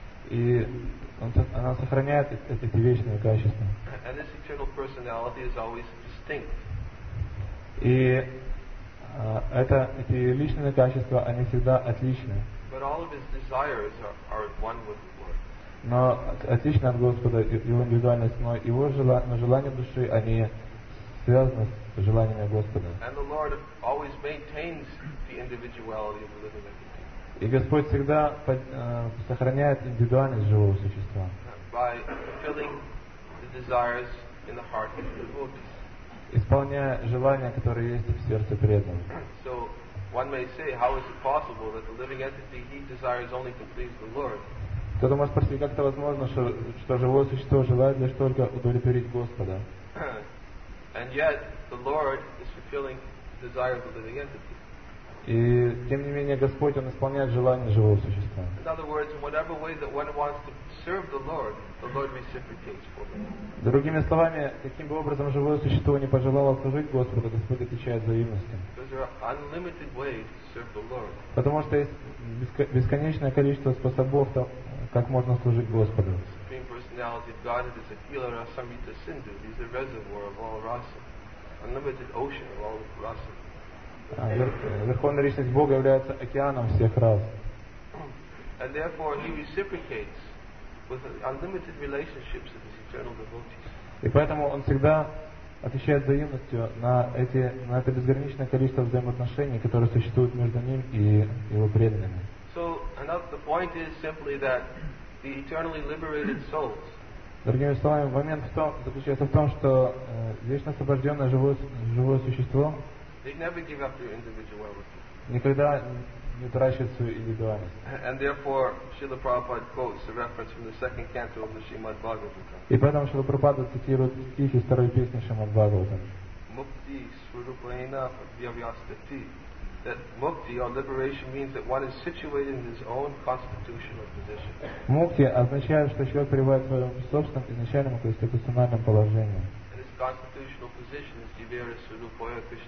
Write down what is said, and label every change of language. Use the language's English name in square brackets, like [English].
[Russian] И она сохраняет эти вечные качества. [English] And this eternal personality is always distinct. [Russian] И эти личные качества, они всегда отличны. [English] But all of his desires are at one with the Lord. [Russian] Но отлично от Господа его индивидуальность, но его желания души, они связаны с желаниями Господа. [English] And the Lord always maintains the individuality of the living entity. [Russian] И Господь всегда сохраняет индивидуальность живого существа. [English] By fulfilling the desires in the heart of the devotees. [Russian] Исполняя желания, которые есть в сердце преданного. [English] So one may say, how is it possible that the living entity he desires only to please the Lord? [Russian] Кто-то может спросить, как это возможно, что живое существо желает лишь только удовлетворить Господа? [English] And yet the Lord is fulfilling the desire of the living entity. [Russian] И тем не менее Господь он исполняет желание живого существа. [English] In other words, in whatever way that one wants to serve the Lord reciprocates for them. [Russian] Другими словами, каким бы образом живое существо не пожелало служить Господу, Господь отвечает взаимностью. [English] Because there are unlimited ways to serve the Lord. [Russian] Потому что есть бесконечное количество способов, как можно служить Господу. [English] Supreme Personality of God is [Sanskrit] a Kila Rasamrita Sindhu. [English] He's the reservoir of all rasa, unlimited ocean of all rasa. [Russian] Верховная личность Бога является океаном всех рас. [English] And therefore he reciprocates with unlimited relationships with his eternal devotees. [Russian] И поэтому он всегда отвечает взаимностью на это безграничное количество взаимоотношений, которые существуют между ним и его преданными. [English] So another the point is simply that the eternally liberated souls. [Russian] Другими словами, момент заключается в том, что вечно освобожденное живое существо. [English] They never give up their individuality. [Russian] Никогда не утрачивают свою индивидуальность. [English] And therefore, Srila Prabhupada quotes a reference from the second canto of the Srimad Bhagavatam. [Russian] И поэтому Шрила Прабхупада цитирует стих из второй песни Шримад Бхагаватам. [Sanskrit] Мукти сварупайна вьявьястати. [English] That mukti or liberation means that one is situated in his own constitutional position. [Russian] Мукти означает, что человек пребывает в своем собственном изначальном конституциональном положении. [English] And his constitutional position is